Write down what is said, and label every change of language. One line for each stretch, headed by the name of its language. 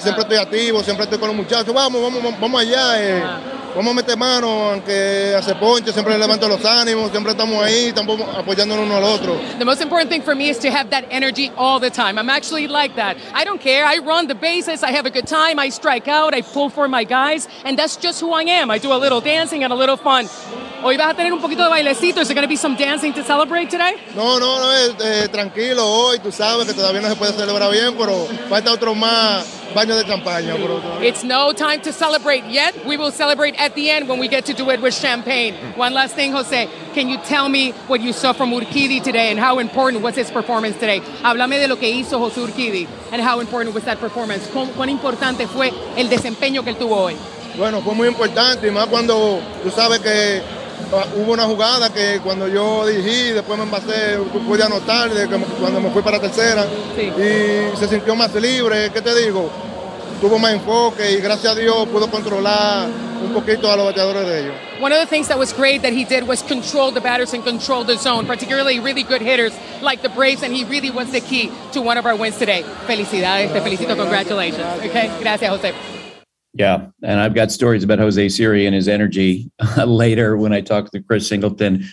Spanish: Siempre estoy activo, siempre estoy con los muchachos. Vamos allá. Vamos a meter mano, aunque hace ponche, siempre levanto los ánimos, siempre estamos ahí, estamos apoyándonos uno al otro.
English: The most important thing for me is to have that energy all the time. I'm actually like that. I don't care. I run the bases. I have a good time. I strike out. I pull for my guys. And that's just who I am. I do a little dancing and a little fun.
Spanish: Hoy vas a tener un poquito de bailecito.
English: Is there going to be some dancing to celebrate today?
Spanish: No. Tranquilo hoy. Tú sabes que todavía no se puede celebrar bien, pero falta otro más. Baño de campaña, bro.
English: It's no time to celebrate yet. We will celebrate at the end when we get to do it with champagne. One last thing, Jose. Can you tell me what you saw from Urquidy today and how important was his performance today?
Spanish: Háblame de lo que hizo José Urquidy
English: and how important was that performance.
Spanish: ¿Cuán importante fue el desempeño que él tuvo hoy? Bueno, fue muy importante, más cuando tú sabes que hubo una jugada que cuando yo dirigí, después me envasé, pude anotar cuando me fui para tercera. Sí. Y se sintió más libre, ¿qué te digo? Tuvo más enfoque y gracias a Dios pudo controlar un poquito a los bateadores de ellos.
English: One of the things that was great that he did was control the batters and control the zone, particularly really good hitters like the Braves, and he really was the key to one of our wins today.
Spanish: Felicidades, gracias, te felicito, congratulations. Gracias. Okay, gracias, Jose.
English: Yeah, and I've got stories about Jose Siri and his energy later when I talk to Chris Singleton.